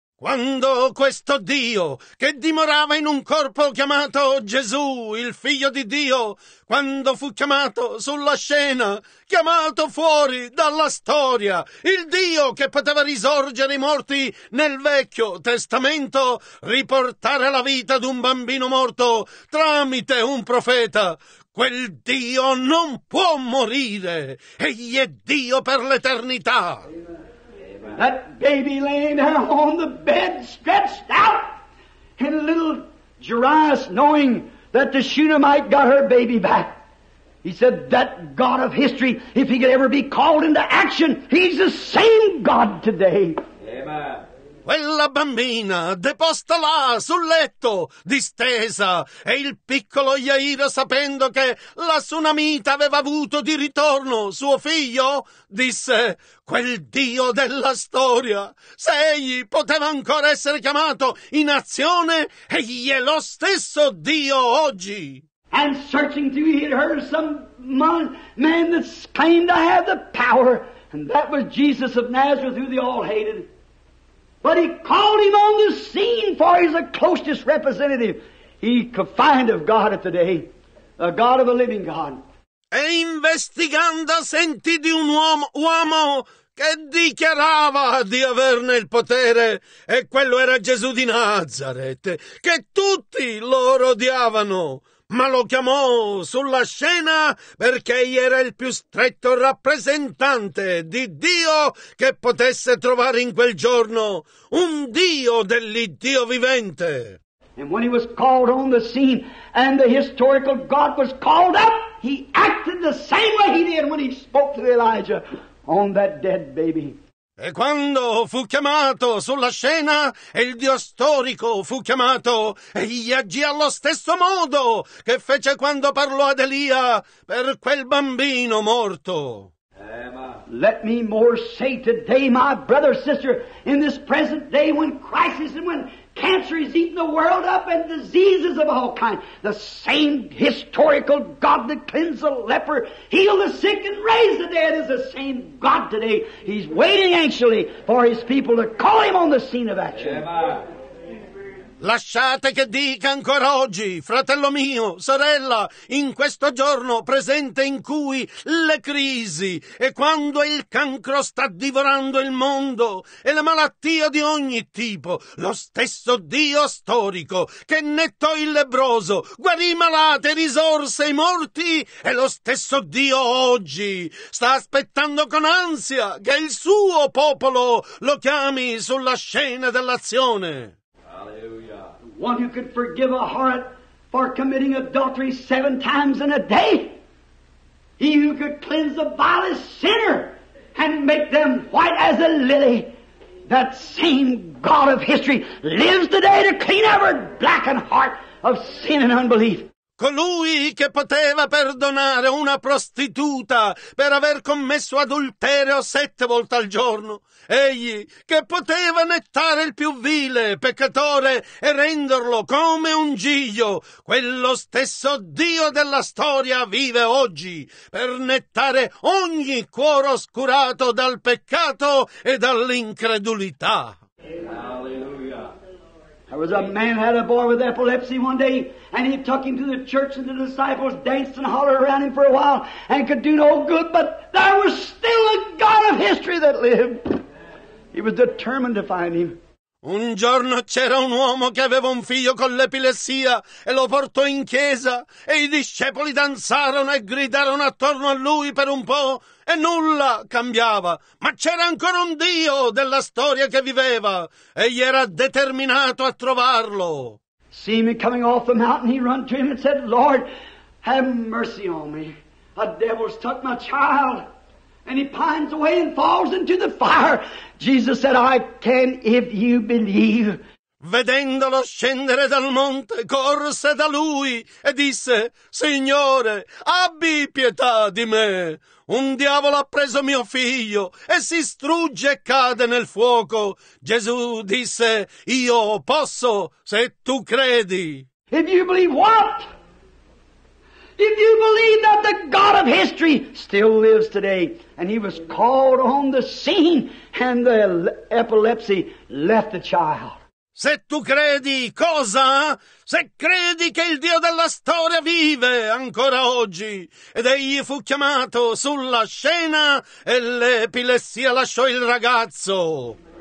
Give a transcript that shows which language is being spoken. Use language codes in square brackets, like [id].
[it] Quando questo Dio, che dimorava in un corpo chiamato Gesù, il figlio di Dio, quando fu chiamato sulla scena, chiamato fuori dalla storia, il Dio che poteva risorgere i morti nel Vecchio Testamento, riportare la vita ad un bambino morto tramite un profeta, quel Dio non può morire. Egli è Dio per l'eternità. [en] That baby laying down on the bed, stretched out. And little Jairus, knowing that the Shunammite got her baby back, he said, that God of history, if he could ever be called into action, he's the same God today. Amen. [it] Quella bambina deposta là sul letto, distesa, e il piccolo Jairo, sapendo che la tsunamita aveva avuto di ritorno suo figlio, disse, quel Dio della storia, se egli poteva ancora essere chiamato in azione, egli è lo stesso Dio oggi. [en] And searching through, he had heard some man that claimed to have the power, and that was Jesus of Nazareth, who they all hated. But he called him on the scene, for he's the closest representative he could find of God at the day, the God of a living God. [it] E investigando sentì di un uomo che dichiarava di averne il potere, e quello era Gesù di Nazareth, che tutti loro odiavano, ma lo chiamò sulla scena perché egli era il più stretto rappresentante di Dio che potesse trovare in quel giorno, un Dio dell'Iddio vivente. [en] And when he was called on the scene and the historical God was called up, he acted the same way he did when he spoke to Elijah on that dead baby. [it] E quando fu chiamato sulla scena e il Dio storico fu chiamato, egli agì allo stesso modo che fece quando parlò ad Elia per quel bambino morto. [en] Let me more say today, my brother, sister, in this present day when crisis and when cancer is eating the world up and diseases of all kinds, the same historical God that cleansed the leper, healed the sick and raised the dead is the same God today. He's waiting anxiously for his people to call him on the scene of action. Amen. [it] Lasciate che dica ancora oggi, fratello mio, sorella, in questo giorno presente in cui le crisi e quando il cancro sta divorando il mondo e la malattia di ogni tipo, lo stesso Dio storico che nettò il lebbroso, guarì i malati e risorse i morti, è lo stesso Dio oggi. Sta aspettando con ansia che il suo popolo lo chiami sulla scena dell'azione. [en] One who could forgive a heart for committing adultery 7 times in a day, He who could cleanse the vilest sinner and make them white as a lily. That same God of history lives today to clean every blackened heart of sin and unbelief. [it] Colui che poteva perdonare una prostituta per aver commesso adulterio 7 volte al giorno. Egli che poteva nettare il più vile peccatore e renderlo come un giglio. Quello stesso Dio della storia vive oggi per nettare ogni cuore oscurato dal peccato e dall'incredulità. Alleluia. [en] There was a man had a boy with epilepsy one day, and he took him to the church, and the disciples danced and hollered around him for a while and could do no good, but there was still a God of history that lived. He was determined to find him. [it] Un giorno c'era un uomo che aveva un figlio con l'epilessia e lo portò in chiesa e i discepoli danzarono e gridarono attorno a lui per un po' e nulla cambiava. Ma c'era ancora un Dio della storia che viveva e gli era determinato a trovarlo. [en] See me coming off the mountain, he run to him and said, Lord, have mercy on me. A devil's took my child. And he pines away and falls into the fire. Jesus said, I can if you believe. [it] Vedendolo scendere dal monte, corse da lui e disse, Signore, abbi pietà di me. Un diavolo ha preso mio figlio e si strugge e cade nel fuoco. Gesù disse, io posso se tu credi. [en] If you believe what? If you believe that the God of history still lives today, and he was called on the scene, and the epilepsy left the child. [it] Se tu credi, cosa? Se credi che il Dio della storia vive ancora oggi, ed egli fu chiamato sulla scena, e l'epilessia lasciò il ragazzo.